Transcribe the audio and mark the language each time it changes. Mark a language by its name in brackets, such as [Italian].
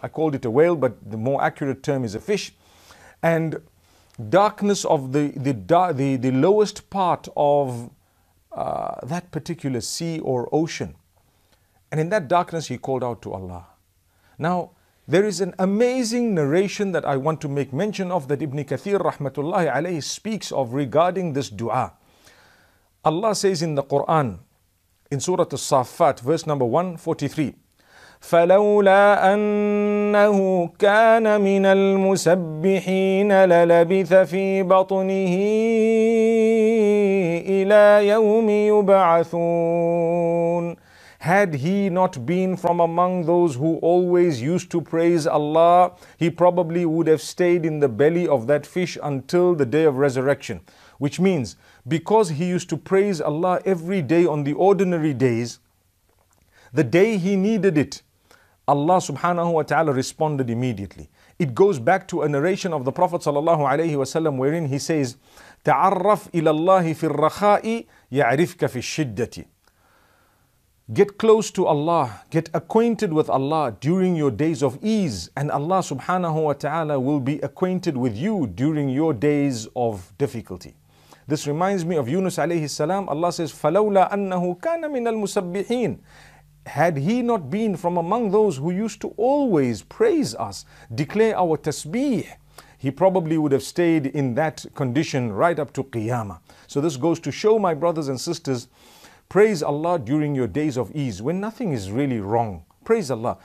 [English] I called it a whale, but the more accurate term is a fish. And darkness of the lowest part of that particular sea or ocean. And in that darkness, he called out to Allah. Now, there is an amazing narration that I want to make mention of that Ibn Kathir rahmatullahi alayhi speaks of regarding this dua. Allah says in the Quran, in Surah As-Saffat, verse number 143, [Arabic] فَلَوْلَا أَنَّهُ كَانَ مِنَ الْمُسَبِّحِينَ لَلَبِثَ فِي بَطْنِهِ إِلَى يَوْمِ يُبَعَثُونَ. [English] Had he not been from among those who always used to praise Allah, he probably would have stayed in the belly of that fish until the day of resurrection. Which means, because he used to praise Allah every day on the ordinary days, the day he needed it, Allah subhanahu wa ta'ala responded immediately. It goes back to a narration of the Prophet sallallahu alayhi wasallam wherein he says, [Arabic] تعرف إلى الله في الرخاء يعرفك في الشدة. [English] Get close to Allah, get acquainted with Allah during your days of ease, and Allah subhanahu wa ta'ala will be acquainted with you during your days of difficulty. This reminds me of Yunus alayhi salam. Allah says, [Arabic] فَلَوْلَا أَنَّهُ كَانَ مِنَ الْمُسَبِّحِينَ. [English] Had he not been from among those who used to always praise us, declare our tasbih, he probably would have stayed in that condition right up to Qiyamah. So this goes to show, my brothers and sisters, praise Allah during your days of ease, when nothing is really wrong. Praise Allah.